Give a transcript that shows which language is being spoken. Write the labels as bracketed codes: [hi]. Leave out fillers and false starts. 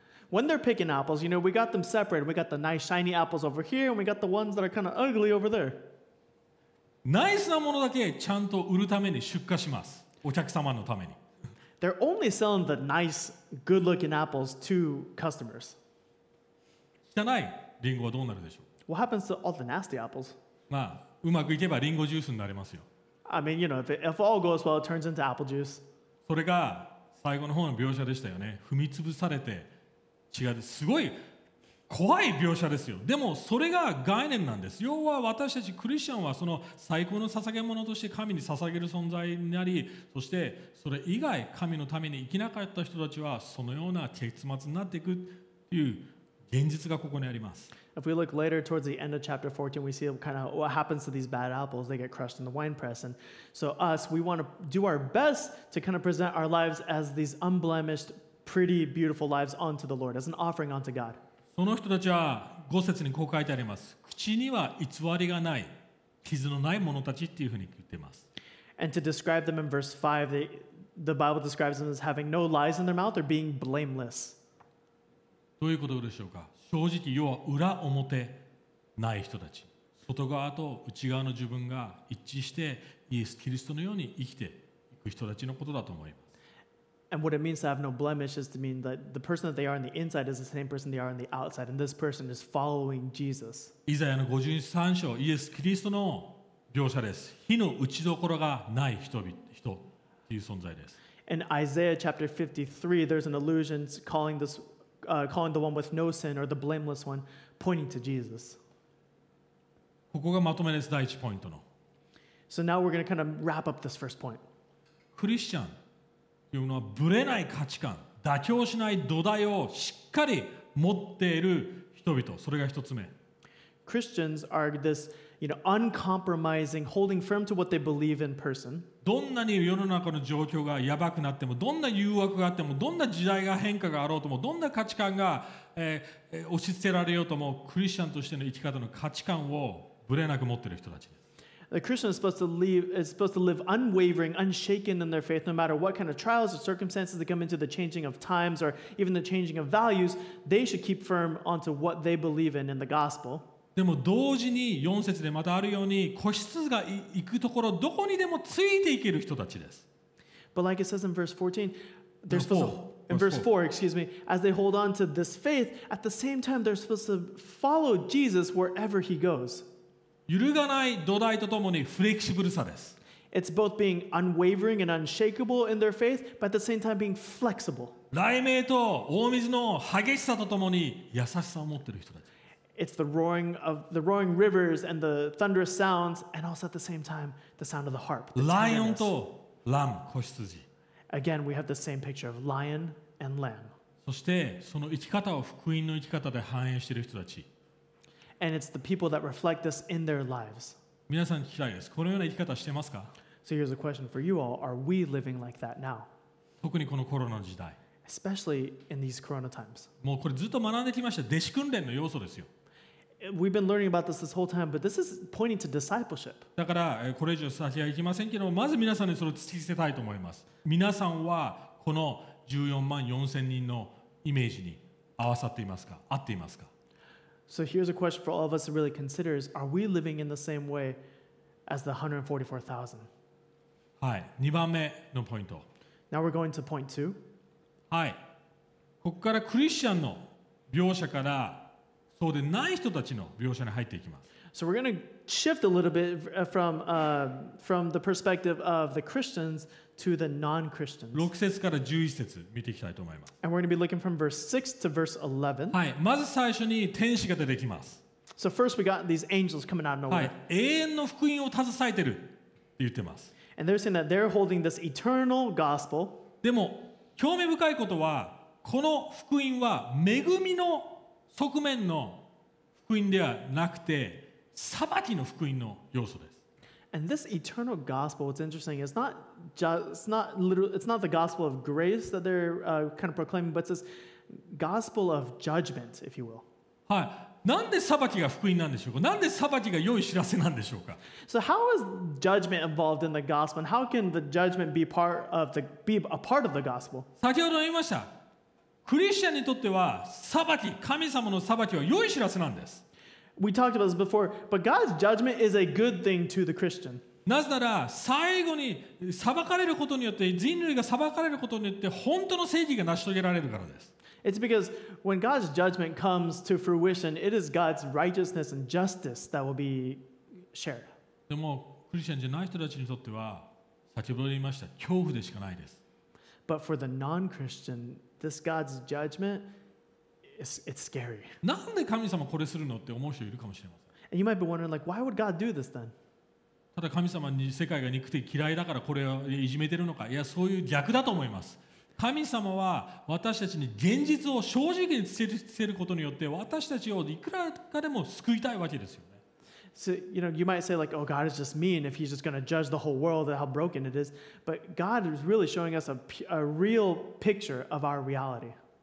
[en] When they're picking apples, you know, we got them separate. We got the nice shiny apples over here, and we got the ones that are kind of ugly over there. [ja] ナイスなものだけちゃんと売るために出荷します。お客様のために。 [en] They're only selling the nice, good-looking apples to customers. [ja] 汚いリンゴはどうなるでしょう? [en] What happens to all the nasty apples? [ja] まあ、うまくいけばリンゴジュースになりますよ。 [en] I mean, you know, if all goes well, it turns into apple juice. [ja] それが最後の方の描写でしたよね。踏みつぶされて違うです。すごい怖い描写ですよ。でもそれが概念なんです。要は私たちクリスチャンはその最高の捧げ物として神に捧げる存在になり、そしてそれ以外神のために生きなかった人たちはそのような結末になっていくという現実がここにあります。 [en] If we look later towards the end of chapter 14, we see kind of what happens to these bad apples. They get crushed in the wine press. And so us, we want to do our best to kind of present our lives as these unblemished. Pretty beautiful lives unto the Lord as an offering unto God. [ja] その人たちは5節にこう書いてあります。口には偽りがない、傷のない者たちっていうふうに言ってます。 [en] And to describe them in verse 5, the Bible describes them as having no lies in their mouth or being blameless. [ja] どういうことでしょうか。正直、要は裏表ない人たち。外側と内側の自分が一致してイエス・キリストのように生きていく人たちのことだと思います。 [en] And what it means to have no blemish is to mean that the person that they are on the inside is the same person they are on the outside, and this person is following Jesus. [ja] イザヤの53章、イエス・キリストの描写です。火の打ち所がない人という存在です。 [en] In Isaiah chapter 53, there's an allusion calling this, calling the one with no sin or the blameless one, pointing to Jesus. [ja] ここがまとめです、第一ポイントの。 [en] So now we're going to kind of wrap up this first point. [ja] クリスチャン。というのはブレない価値観、妥協しない土台をしっかり持っている人々、それが一つ目。 [en] Christians are this, you know, uncompromising, holding firm to what they believe in person. [ja] どんなに世の中の状況がやばくなっても、どんな誘惑があっても、どんな時代が変化があろうとも、どんな価値観が、押し付けられようとも、クリスチャンとしての生き方の価値観をブレなく持っている人たちです。 [en] The Christian is supposed to live unwavering, unshaken in their faith, no matter what kind of trials or circumstances that come into the changing of times or even the changing of values, they should keep firm onto what they believe in the gospel. [ja] でも同時に4節でまたあるように固執が行くところどこにでもついていける人たちです。 [en] But like it says in verse 14, they're supposed to, in verse 4, excuse me, as they hold on to this faith, at the same time they're supposed to follow Jesus wherever he goes. [ja] 揺るがない土台とともにフレキシブルさです。 [en] It's both being unwavering and unshakable in their faith, but at the same time being flexible. [ja] 雷鳴と大水の激しさとともに優しさを持っている人たち。 [en] It's the roaring rivers and the thunderous sounds, and also at the same time the sound of the harp. [ja] ライオンとlamb, 子羊。 [en] Again, we have the same picture of lion and lamb. [ja] そしてその生き方を福音の生き方で反映している人たち。 [en] And it's the people that reflect this in their lives. [ja] 皆さん聞きたいです。このような生き方してますか？ [en] So here's a question for you all. Are we living like that now? [ja] 特にこのコロナの時代。 [en] Especially in these corona times. [ja] もうこれずっと学んできました。弟子訓練の要素ですよ。 [en] We've been learning about this whole time, but this is pointing to discipleship. [ja] だからこれ以上先は行きませんけど、まず皆さんにそれを突き捨てたいと思います。皆さんはこの14万4千人のイメージに合わさっていますか？合っていますか？ [en] So here's a question for all of us to really consider is, are we living in the same way as the 144,000? [ja] はい、2番目のポイント。 [en] Now we're going to point two. [ja] はい、ここからクリスチャンの描写からそうでない人たちの描写に入っていきます。 [en] So we're going to shift a little bit from the perspective of the Christians to the non-Christians. [ja] 6節から11節見ていきたいと思います。 [en] And we're going to be looking from verse 6 to verse 11. [ja] はい、まず最初に天使が出てきます。 [en] So first we got these angels coming out of nowhere. [ja] はい、永遠の福音を携えてるって言ってます。 [en] And they're saying that they're holding this eternal gospel. [ja] でも興味深いことはこの福音は恵みの側面の福音ではなくて裁きの福音の要素です。 [en] And this eternal gospel, what's interesting, it's not the gospel of grace that they're kind of proclaiming, but it's this gospel of judgment, if you will. [ja] はい。なんで裁きが福音なんでしょうか？なんで裁きが良い知らせなんでしょうか？ [en] So how is judgment involved in the gospel? And how can the judgment be a part of the gospel? [ja] 先ほど言いました。クリスチャンにとっては裁き、神様の裁きは良い知らせなんです。 [en] We talked about this before, but God's judgment is a good thing to the Christian. [ja] なぜなら最後に裁かれることによって人類が裁かれることによって本当の正義が成し遂げられるからです。 [en] It's because when God's judgment comes to fruition, it is God's righteousness and justice that will be shared. [ja] でもクリスチャンじゃない人たちにとっては先ほど言いました恐怖でしかないです。 [en] But for the non-Christian, this God's judgment, it's scary. [ja] なんで神様これするのって思う人いるかもしれません。 [en] And you might be wondering, like, why would God do this then? [ja] ただ神様に世界が憎くて嫌いだからこれをいじめてるのか。いや、そういう逆だと思います。神様は私たちに現実を正直に伝えることによって私たちをいくらかでも救いたいわけですよね。 [en] So, you know, you might say like, oh, God is just mean if he's just going to judge the whole world and how broken it is. But God is really showing us a real picture of our reality.